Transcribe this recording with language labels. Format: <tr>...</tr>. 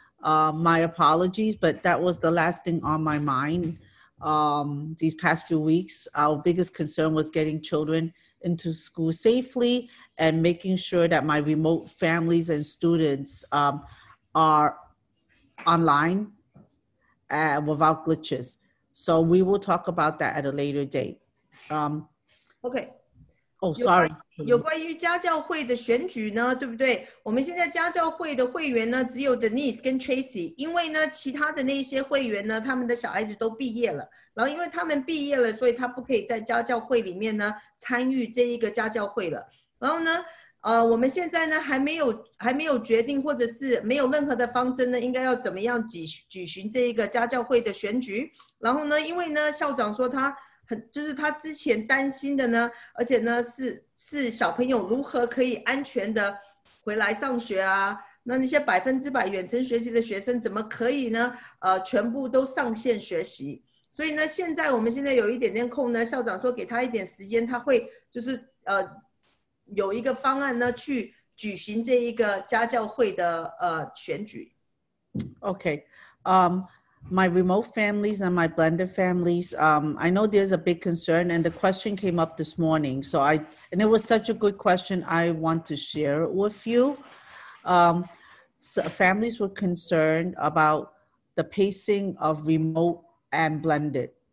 <en>My apologies, but that was the last thing on my mind these past few weeks. Our biggest concern was getting children into school safely and making sure that my remote families and students are online and without glitches. So we will talk about that at a later date. Okay. Oh, sorry.</en> <zh>有关于家教会的选举呢，对不对？我们现在家教会的会员呢，只有 Denise 跟 Tracy， 因为呢，其他的那些会员呢，他们的小孩子都毕业了，然后因为他们毕业了，所以他不可以在家教会里面呢参与这一个家教会了。然后呢，我们现在呢还没有决定，或者是没有任何的方针呢，应该要怎么样举行这一个家教会的选举。然后呢，因为呢，校长说他。就是他之前担心的呢，而且呢 是小朋友如何可以安全的回来上学啊，那些百分之百远程学习的学生怎么可以呢全部都上线学习。所以呢现在我们现在有一点点空呢，校长说给他一点时间，他会就是有一个方案呢去举行这一个家教会的选举。</zh> <en>OK. My remote families and my blended families, I know there's a big concern, and the question came up this morning. And it was such a good question, I want to share it with you. So families were concerned about the pacing of remote and blended.</en>